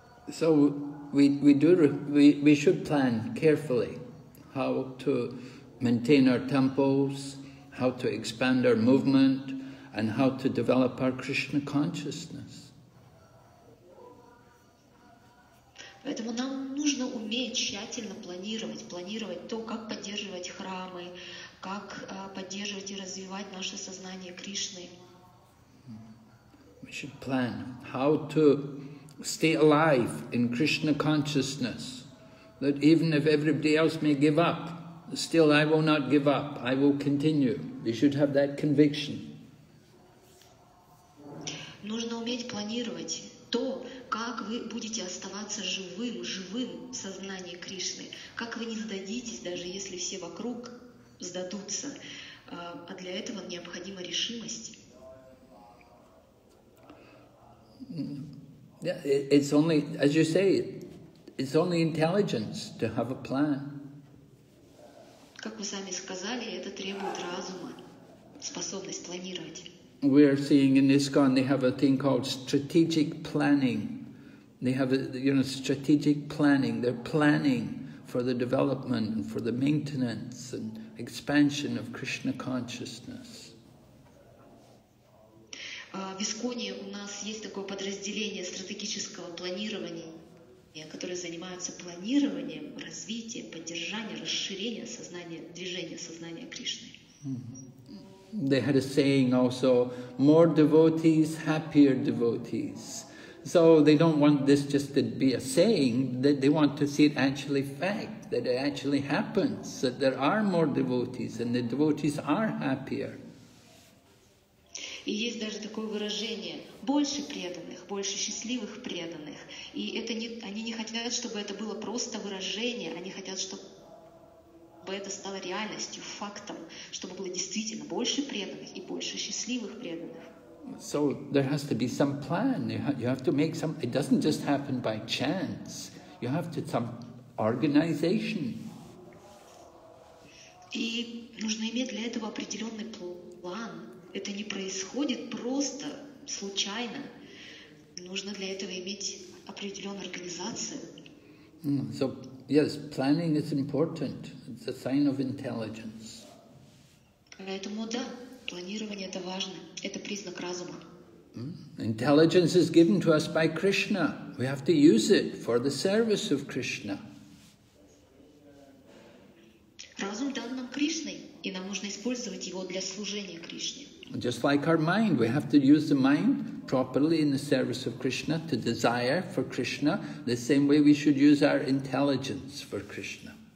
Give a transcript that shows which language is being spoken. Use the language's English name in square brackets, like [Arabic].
[English] So we should plan carefully how to maintain our temples, how to expand our movement, and how to develop our Krishna consciousness. [Russian] Поэтому нам нужно уметь тщательно планировать то, как поддерживать храмы, как поддерживать и развивать наше сознание Кришны. [English] We should plan how to stay alive in Krishna consciousness. That even if everybody else may give up, still I will not give up, I will continue. You should have that conviction. [Russian] Нужно уметь планировать то, как вы будете оставаться живым в сознании Кришны. Как вы не сдадитесь, даже если все вокруг сдадутся. А для этого необходима решимость. [English] Yeah, it's only, as you say, it's only intelligence to have a plan. [Russian] Как вы сами сказали, это требует разума, способность планировать. [English] We are seeing in ISKCON, they have a thing called strategic planning. They have, strategic planning. They're planning for the development and for the maintenance and expansion of Krishna consciousness. [Russian] В ISKCONе у нас есть такое подразделение стратегического планирования, которые занимаются планированием, развитием, поддержанием, расширением сознания, движения сознания Кришны. [English] They had a saying also, more devotees, happier devotees. So they don't want this just to be a saying, that they want to see it actually fact, that it actually happens, that there are more devotees and the devotees are happier. [Russian] И есть даже такое выражение, больше преданных, больше счастливых преданных. И это не, они не хотят, чтобы это было просто выражение, они хотят, чтобы это стало реальностью, фактом, чтобы было действительно больше преданных и больше счастливых преданных. [English] So there has to be some plan. You have to make some, it doesn't just happen by chance. You have to some organization. [Russian] И нужно иметь для этого определенный план. Это не происходит просто случайно. Нужно для этого иметь определенную организацию. [English] So yes, planning is important. It's a sign of intelligence. [Russian] Поэтому да. Планирование – это важно, это признак разума. [English] Intelligence is given to us by Krishna. We have to use it for the service of Krishna. [Russian] Разум дан нам Кришной, и нам нужно использовать его для служения Кришне. [English] Just like our mind, we have to use the mind properly in the service of Krishna, to desire for Krishna, the same way we should use our intelligence for Krishna.